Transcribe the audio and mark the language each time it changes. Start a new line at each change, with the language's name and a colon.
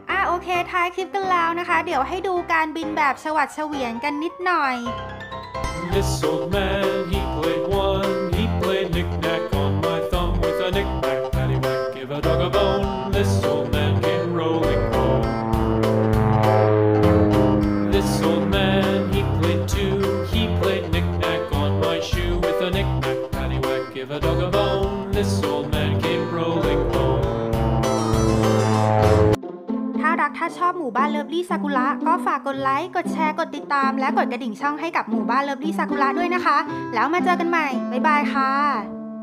Thai: โอเคท้ายคลิปกันแล้วนะคะเดี๋ยวให้ดูการบินแบบฉวัดเฉวียนกันนิดหน่อย
English: This old man, he played one, he played knick-knack on my thumb with a knick-knack, paddywhack, give a dog a bone, this old man came rolling home. This old man, he played two, he played knick-knack on my shoe with a knick-knack, paddywhack, give a dog a bone, this old man came rolling home.
Thai: ถ้ารักถ้าชอบหมู่บ้านเลิฟลี่ซากุระก็ฝากกดไลค์กดแชร์กดติดตามและกดกระดิ่งช่องให้กับหมู่บ้านเลิฟลี่ซากุระด้วยนะคะแล้วมาเจอกันใหม่บ๊ายบายค่ะ